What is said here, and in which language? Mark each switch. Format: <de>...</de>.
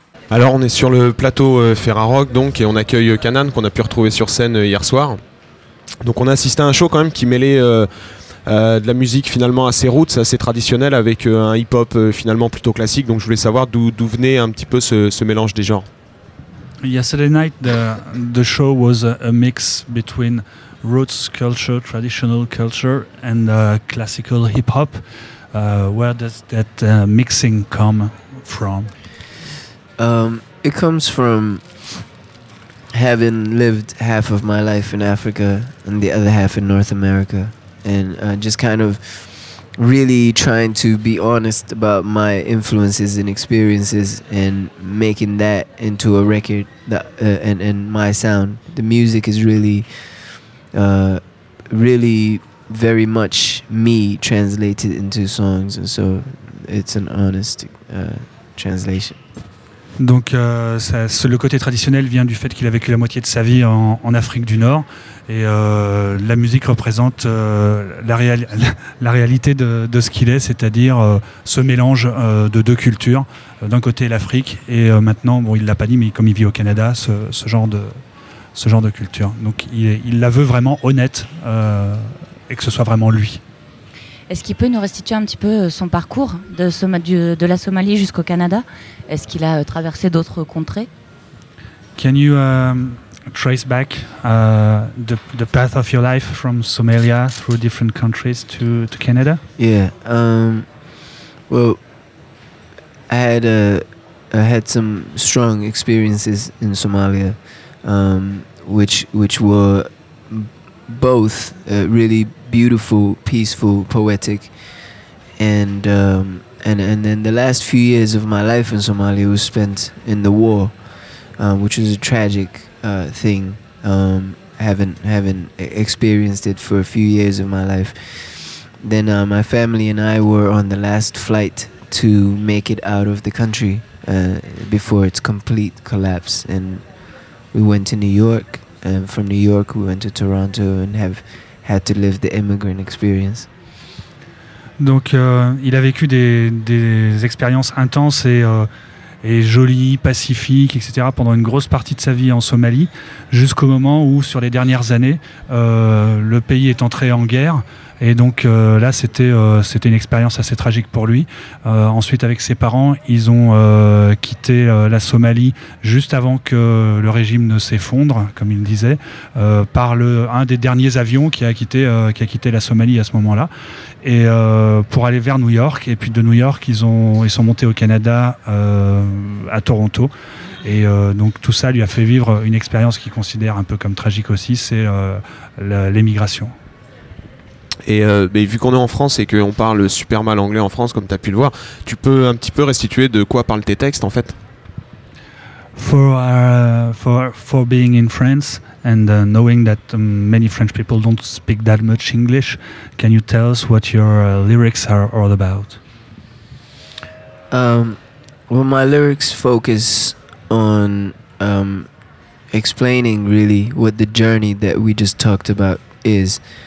<fr>Alors on est sur le plateau Ferrarock donc, et on accueille Kanan qu'on a pu retrouver sur scène hier soir. Donc on a assisté à un show quand même qui mêlait de la musique finalement assez roots, assez traditionnelle avec un hip-hop finalement plutôt classique. Donc je voulais savoir d'où venait un petit peu ce mélange des genres.</fr> <en>Yesterday night the show was a mix between roots culture, traditional culture and classical hip-hop. Where does that mixing come from? It comes from having lived half of my life in Africa and the other half in North America, and just kind of really trying to be honest about my influences and experiences and making that into a record that, and my sound. The music is really, really very much me translated into songs, and so it's an honest translation.</en> <fr>Donc le côté traditionnel vient du fait qu'il a vécu la moitié de sa vie en Afrique du Nord et la musique représente la réalité de ce qu'il est, c'est-à-dire ce mélange de deux cultures, d'un côté l'Afrique et maintenant, bon il ne l'a pas dit, mais comme il vit au Canada, ce genre de culture. Donc il la veut vraiment honnête et que ce soit vraiment lui. Est-ce qu'il peut nous restituer un petit peu son parcours de la Somalie jusqu'au Canada? Est-ce qu'il a traversé d'autres contrées?</fr> <en>Can you trace back the path of your life from Somalia through different countries to Canada? Yeah. Well, I had some strong experiences in Somalia, which were both really beautiful, peaceful, poetic, and then the last few years of my life in Somalia was spent in the war, which was a tragic thing, having experienced it for a few years of my life. Then my family and I were on the last flight to make it out of the country before its complete collapse, and we went to New York, and from New York we went to Toronto and have had to live the immigrant experience.</en> <fr>Donc il a vécu des expériences intenses et jolies, pacifiques, etc. pendant une grosse partie de sa vie en Somalie, jusqu'au moment où, sur les dernières années, le pays est entré en guerre. Et donc là, c'était une expérience assez tragique pour lui. Ensuite, avec ses parents, ils ont quitté la Somalie juste avant que le régime ne s'effondre, comme il disait, par un des derniers avions qui a quitté la Somalie à ce moment-là. Et pour aller vers New York, et puis de New York, ils sont montés au Canada, à Toronto. Et donc tout ça lui a fait vivre une expérience qu'il considère un peu comme tragique aussi, c'est l'émigration. Et mais vu qu'on est en France et qu'on parle super mal anglais en France, comme tu as pu le voir, tu peux un petit peu restituer de quoi parlent tes textes en fait?</fr> <en>For being in France and knowing that many French people don't speak that much English, can you tell us what your lyrics are all about? Well, my lyrics focus on explaining really what the journey that we just talked about is.</en>